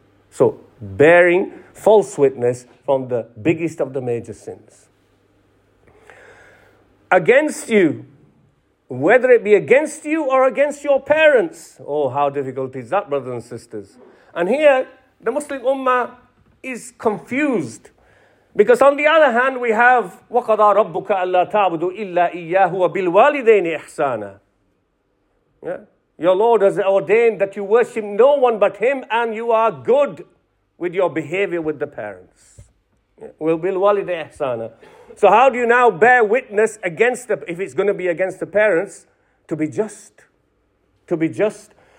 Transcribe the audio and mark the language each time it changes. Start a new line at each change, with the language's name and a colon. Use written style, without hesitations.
English: So bearing false witness from the biggest of the major sins. Against you. Whether it be against you or against your parents. Oh, how difficult is that, brothers and sisters? And here, the Muslim Ummah is confused. Because on the other hand, we have
Arabic: وَقَضَى رَبُّكَ أَلَّا تَعْبُدُ إِلَّا إِيَّاهُ وَبِالْوَالِدَيْنِ إِحْسَانًا.
English: Yeah? Your Lord has ordained that you worship no one but Him and you are good with your behavior with the parents.
Arabic: وَبِالْوَالِدَيْنِ إِحْسَانًا.
English: So how do you now bear witness against the, if it's going to be against the parents, to be just? To be just.